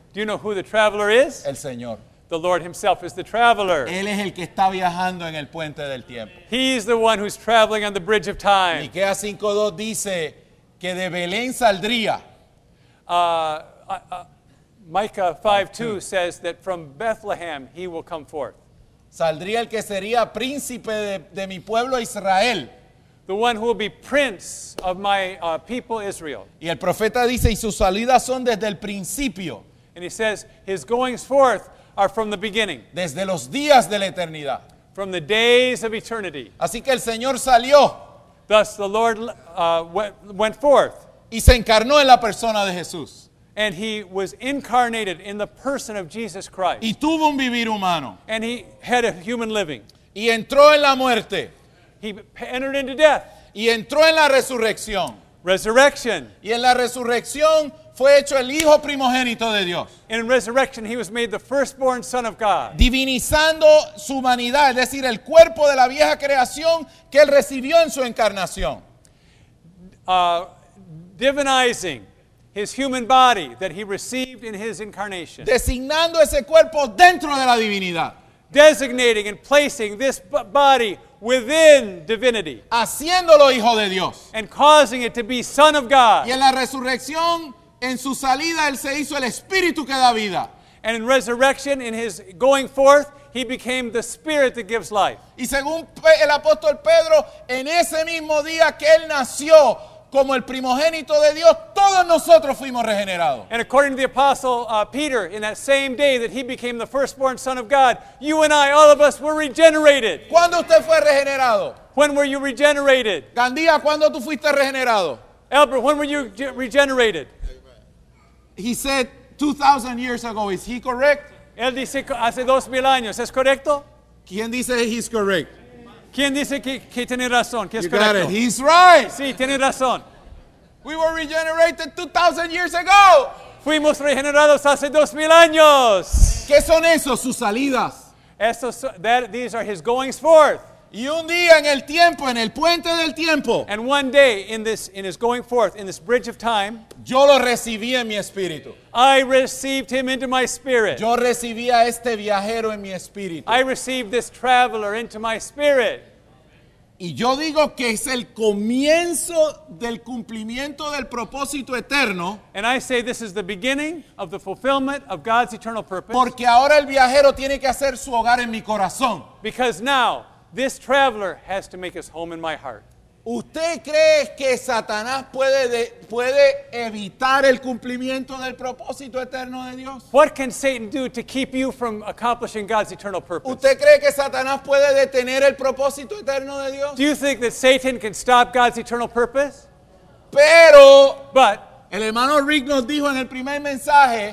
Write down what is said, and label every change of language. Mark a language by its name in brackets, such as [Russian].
[English] Do you know who the traveler is? [Spanish] El Señor. [English] The Lord himself is the traveler. [Spanish] Él es el que está viajando en el puente del tiempo. [English] He's the one who's traveling on the bridge of time. [Spanish] Miqueas 5:2 dice que de Belén saldría. [English] Micah 5:2 says that from Bethlehem he will come forth. [Spanish] Saldría el que sería príncipe de mi pueblo Israel. [English] The one who will be prince of my people Israel. [Spanish] Y el profeta dice, y sus salidas son desde el principio. [English] And he says, his goings forth are from the beginning. [Spanish] Desde los días de la eternidad. [English] From the days of eternity. [Spanish] Así que el Señor salió. [English] Thus the Lord went forth. [Spanish] Y se encarnó en la persona de Jesús. [English] And he was incarnated in the person of Jesus Christ. [Spanish] Y tuvo un vivir humano. [English] And he had a human living. [Spanish] Y entró en la muerte. [English] He entered into death. [Spanish] Y entró en la resurrección. [English] Resurrection. [Spanish] Y en la resurrección fue hecho el hijo primogénito de Dios. [English] In resurrection, he was made the firstborn son of God. [Spanish] Divinizando su humanidad, es decir, el cuerpo de la vieja creación que él recibió en su encarnación. [English] Divinizing his human body that he received in his incarnation. [Spanish] Designando ese cuerpo dentro de la divinidad. [English] Designating and placing this body within divinity. [Spanish] Haciéndolo hijo de Dios. [English] And causing it to be son of God. [Spanish] Y en la resurrección, en su salida, él se hizo el espíritu que da vida. [English] And in resurrection, in his going forth, he became the spirit that gives life. [Spanish] Y según el apóstol Pedro, en ese mismo día que él nació como el primogénito de Dios, todos nosotros fuimos regenerados. [English] And according to the apostle Peter, in that same day that he became the firstborn son of God, you and I, all of us, were regenerated. [Spanish] ¿Cuándo usted fue regenerado? [English] When were you regenerated? [Spanish] Gandía, ¿cuándo tú fuiste regenerado? [English] Albert, when were you regenerated? He said 2,000 years ago. Is he correct? [Spanish] Él dice hace 2,000 años. ¿Es correcto? ¿Quién dice [English] he's correct? [Spanish] ¿Quién dice que tiene razón? ¿Qué es [English] you [Spanish] correcto? [English] Got it. He's right. [Spanish] Sí, tiene razón. [English] We were regenerated 2,000 years ago. [Spanish] Fuimos regenerados hace 2,000 años. ¿Qué son esos? Sus salidas. [English] These are his goings forth. [Spanish] Y un día en el tiempo, en el puente del tiempo. [English] And one day in his going forth, in this bridge of time. [Spanish] Yo lo recibí en mi espíritu. [English] I received him into my spirit. [Spanish] Yo recibí a este viajero en mi espíritu. [English] I received this traveler into my spirit. [Spanish] Y yo digo que es el comienzo del cumplimiento del propósito eterno. [English] And I say this is the beginning of the fulfillment of God's eternal purpose. [Spanish] Porque ahora el viajero tiene que hacer su hogar en mi corazón. [English] Because now this traveler has to make his home in my heart. [Spanish] ¿Usted cree que Satanás puede evitar el cumplimiento del propósito eterno de Dios? [English] What can Satan do to keep you from accomplishing God's eternal purpose? [Spanish] ¿Usted cree que Satanás puede detener el propósito eterno de Dios? [English] Do you think that Satan can stop God's eternal purpose? [Spanish] But el hermano Rick nos dijo en el primer mensaje.